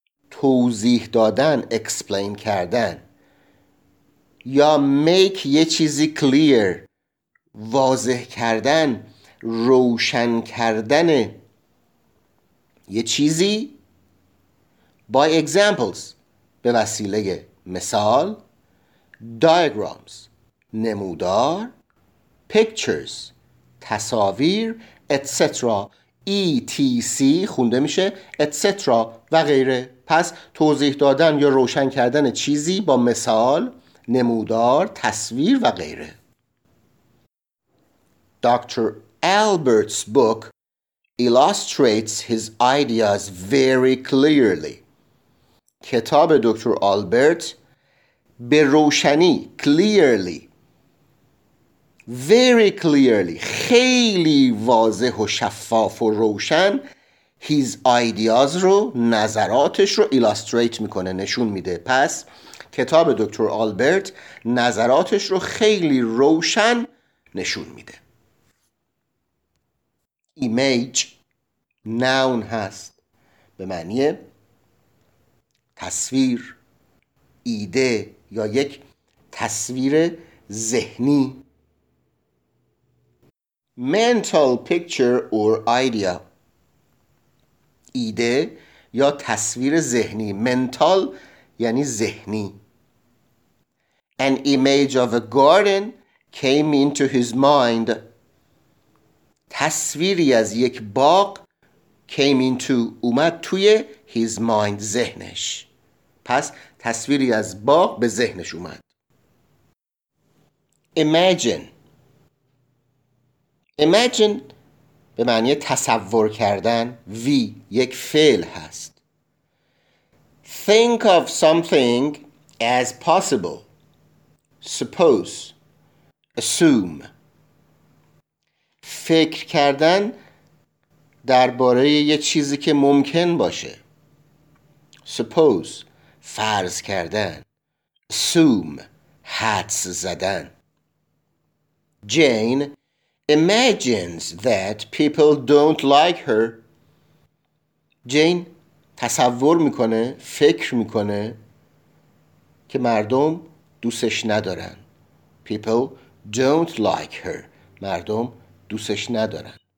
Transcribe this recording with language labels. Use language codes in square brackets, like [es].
[fa] توضیح دادن، explain کردن، یا make یه چیزی clear، واضح کردن، روشن کردن یه چیزی، [en] by examples، [fa] به وسیله مثال، diagrams، نمودار، pictures، تصاویر، etc. [en] etc. [fa] خونده میشه etc. و غیره. پس توضیح دادن یا روشن کردن چیزی با مثال، نمودار، تصویر و غیره. [en] Dr. Albert's book illustrates his ideas very clearly. [fa] کتاب دکتر آلبرت به روشنی، clearly، [en] very clearly، [fa] خیلی واضح و شفاف و روشن، [en] his ideas [fa] رو، نظراتش رو illustrate میکنه، نشون میده. پس کتاب دکتر آلبرت نظراتش رو خیلی روشن نشون میده. image noun هست، به معنی تصویر، ایده یا یک تصویر ذهنی. [en] mental picture or idea، [fa] ایده یا تصویر ذهنی. mental یعنی ذهنی. [en] an image of a garden came into his mind، [fa] تصویری از یک باغ، [en] came into، [fa] اومد توی [en] his mind، ذهنش. [fa] پس تصویری از باغ به ذهنش اومد. imagine به معنی تصور کردن. we یک فعل هست. [en] think of something as possible، suppose، assume. [fa] فکر کردن درباره یه چیزی که ممکن باشه، suppose، فرض کردن، assume، حدس زدن. [en] Jane imagines that people don't like her. [fa] جین تصور میکنه، فکر میکنه که مردم دوستش ندارن. [en] people don't like her، [fa] مردم دوستش ندارن.